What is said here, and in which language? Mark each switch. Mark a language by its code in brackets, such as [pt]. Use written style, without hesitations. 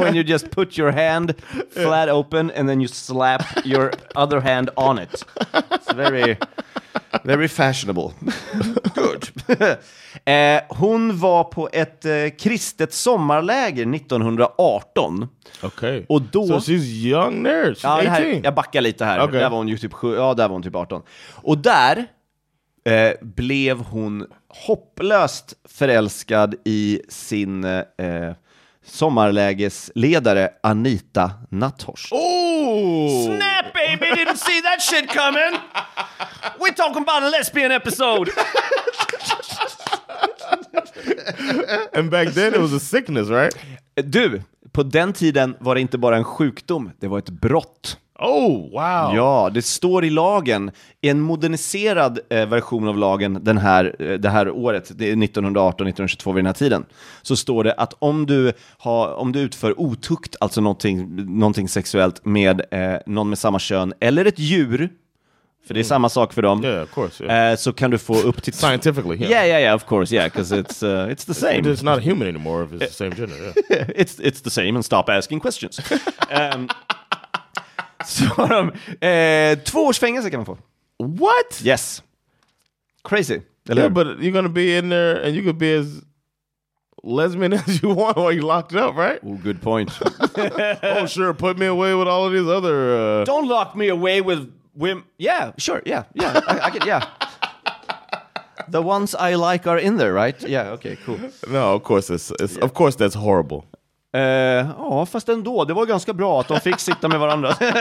[en] When you just put your hand flat open and then you slap your other hand on it. It's very, very fashionable. Good. [sv] Hon var på ett kristet sommarläger 1918. [en] Okay. [sv] Och då, [en] so she's young there. She's 18. [sv] Här, jag backar lite här. Okay. Där var hon ju typ 7. Ja, där var hon typ 18. Och där blev hon hopplöst förälskad i sin sommarlägesledare Anita Nathorst. [en] Oh! Snap, baby! Didn't see that shit coming! We're talking about a lesbian episode! And back then it was a sickness, right? [sv] Du, på den tiden var det inte bara en sjukdom, det var ett brott. [en] Oh, wow. [sv] Ja, det står i lagen, en moderniserad version av lagen den här, det här året, det är 1918-1922 vid den här tiden, så står det att om du utför otukt, alltså någonting sexuellt med någon med samma kön eller ett djur, för det är samma sak för dem. [en] Yeah, of course. Yeah. [sv] Så kan du få upp till [en] scientifically. Yeah, of course. Yeah, because it's the same. It's not a human anymore if it's the same gender. Yeah. it's the same, and stop asking questions. [sv] Så de, 2 års fängelse kan man få. [en] What? Yes. Crazy. [sv] Eller? [en] Yeah, but you're gonna be in there and you could be as lesbian as you want while you're locked up, right? Ooh, good point. Oh, sure, put me away with all of these other... Don't lock me away with women. Yeah, sure, yeah. I can, yeah. The ones I like are in there, right? Yeah, okay, cool. No, of course it's yeah. Of course that's horrible. [sv] Ja, fast ändå, det var ganska bra att de fick sitta med varandra.